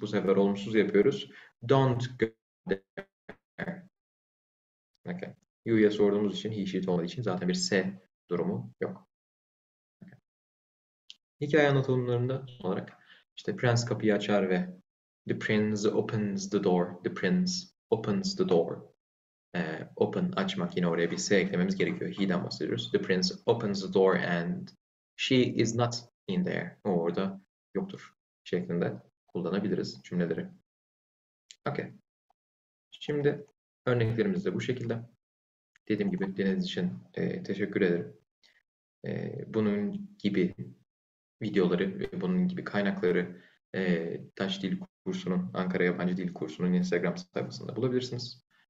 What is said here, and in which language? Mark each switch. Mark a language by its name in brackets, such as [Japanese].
[Turkish] Bu sefer olumsuz yapıyoruz. [English] Don't go there. [Turkish] Okay. You'ya sorduğumuz için, he, she olmadığı için zaten bir S durumu yok. Hikaye anlatımlarında son olarak işte prens kapıyı açar ve [English] the prince opens the door. The prince opens the door. [Turkish] Open açmak yine oraya bir S eklememiz gerekiyor. He'den bahsediyoruz. [English] The prince opens the door and she is not in there. [Turkish] O orada yoktur şeklinde kullanabiliriz cümleleri. Okay. Şimdi örneklerimiz de bu şekilde. Dediğim gibi dinlediğiniz için teşekkür ederim. Bunun gibi videoları ve bunun gibi kaynakları Taş Dil Kursu'nun, Ankara Yabancı Dil Kursu'nun Instagram sayfasında bulabilirsiniz.